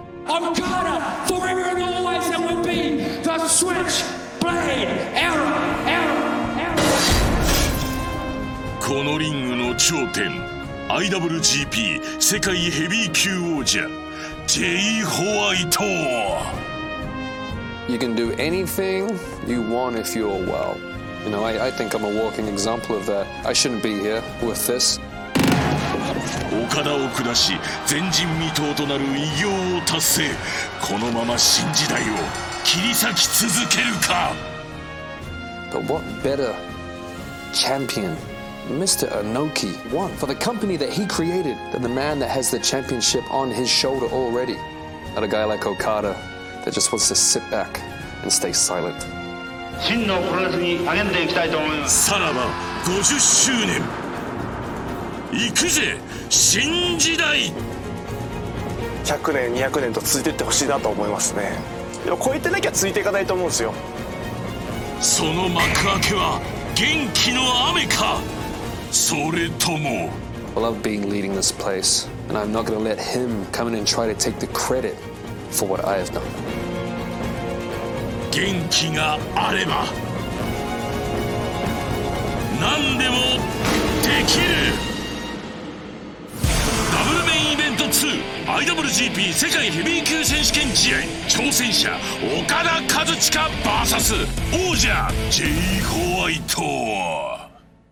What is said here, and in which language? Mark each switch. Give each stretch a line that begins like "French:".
English: I'm gonna forever and always and will be the switchblade era.
Japanese: このリングの頂点、IWGP 世界ヘビー級王者、ジェイ・ホワイト。
English: You can do anything you want if you're well. You know, I think I'm a walking example of that. I shouldn't be here with this.
Japanese: 岡田を下し前人未到となる偉業を達成。このまま新時代を切り裂き続けるか。
English: But what better champion Mr. Inoki want for the company that he created than the man that has the championship on his shoulder already? Not a guy like Okada that just wants to sit back and stay silent.
Japanese: 真のプロレスに励んでいきたいと思います。さらば50周年、行くぜ新時代。 100年200年と続いていってほしいなと思いますね。でもこうやってなきゃついていかないと思うんですよ。その幕開けは元気の雨か、それとも、
English: I love being leading this place and I'm not going to let him come in and try to take the credit for what I have done.
Japanese: 元気があれば何でもできる。 IWGP 世界ヘビー級選手権試合、挑戦者岡田和親 VS 王者ジェイ・ホワイト。